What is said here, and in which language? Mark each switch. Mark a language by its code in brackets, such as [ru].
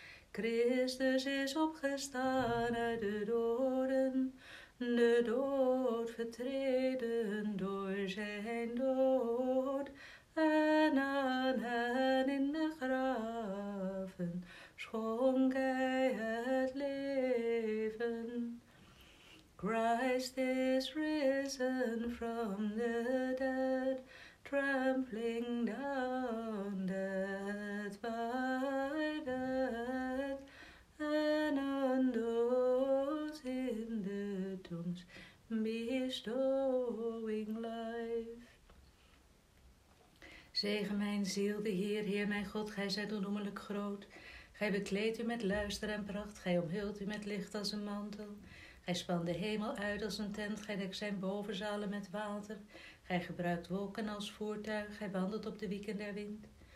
[nl] Christus is opgestaan uit de doden, de dood vertreden door zijn dood. En aan hen in de graven schonk hij het leven. [en] Christ is risen from the dead, trampling down death by death. And on those in the tombs bestowing life. [nl] Zegen mijn ziel, de Heer, Heer mijn God, gij zijt onnoemelijk groot. Gij bekleedt u met luister en pracht, gij omhult u met licht als een mantel. Gij spant de hemel uit als een tent, gij dekt zijn bovenzalen met water. Gij gebruikt wolken als voertuig, gij wandelt op de wieken der wind.